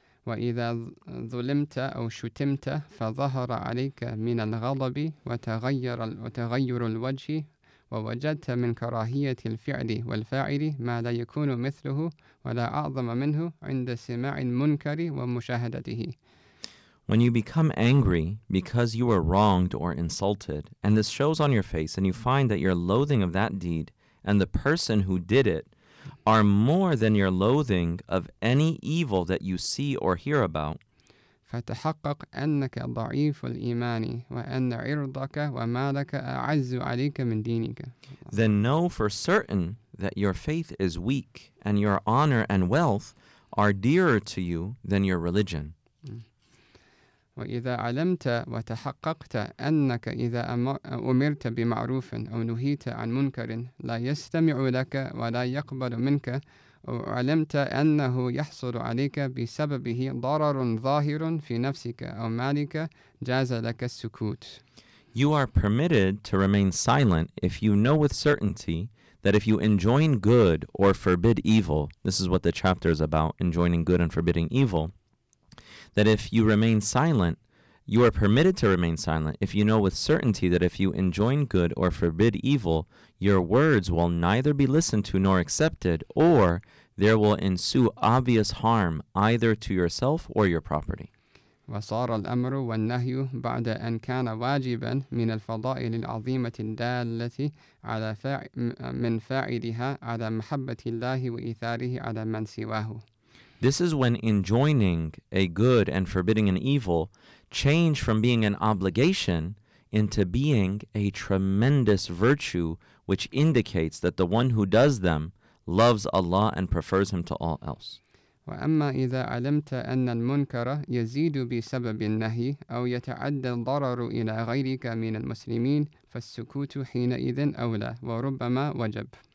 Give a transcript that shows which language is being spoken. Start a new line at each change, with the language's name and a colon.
Arabic: وَإِذَا ظُلِمْتَ أَوْ شُتِمْتَ فَظَهَرَ عَلَيْكَ مِنَ الْغَضَبِ وَتَغَيَّرُ الْوَجْهِ ووجدت من كراهية الفعل والفاعل ما لا يكون مثله ولا أعظم منه عند سماع المنكر ومشاهدته.
English: When you become angry because you were wronged or insulted, and this shows on your face, and you find that your loathing of that deed and the person who did it are more than your loathing of any evil that you see or hear about.
Arabic: فتحقق أنك ضعيف الإيمان وأن عرضك ومالك أعز عليك من دينك.
English: Then know for certain that your faith is weak and your honor and wealth are dearer to you than your religion.
Arabic: وإذا علمت وتحققت أنك إذا أمرت بمعروف أو نهيت عن منكر لا يستمع لك ولا يقبل منك وعلمت أنه يحصل عليك بسببه ضرر ظاهر في نفسك أو مالك جاز لك السكوت.
English: You are permitted to remain silent if you know with certainty that if you enjoin good or forbid evil, this is what the chapter is about, enjoining good and forbidding evil, that if you remain silent, you are permitted to remain silent if you know with certainty that if you enjoin good or forbid evil, your words will neither be listened to nor accepted, or there will ensue obvious harm either to yourself or your property.
Arabic: وصار الأمر والنهي بعد أن كان واجبا من الفضائل العظيمة الدالة على من فاعلها على محبة الله وإيثاره على من سواه.
English: This is when enjoining a good and forbidding an evil changed from being an obligation into being a tremendous virtue, which indicates that the one who does them loves Allah and prefers him to all else.
Arabic: وَأَمَّا إِذَا عَلِمْتَ أَنَّ الْمُنْكَرَ يَزِيدُ بِسَبَبِ النَّهِي أَوْ يَتَعَدَّ الضَّرَرُ إِلَى غَيْرِكَ مِنَ الْمُسْلِمِينَ فَالسُّكُوتُ حِينَئِذٍ أَوْلَى وَرُبَّمَا وَجَبْ.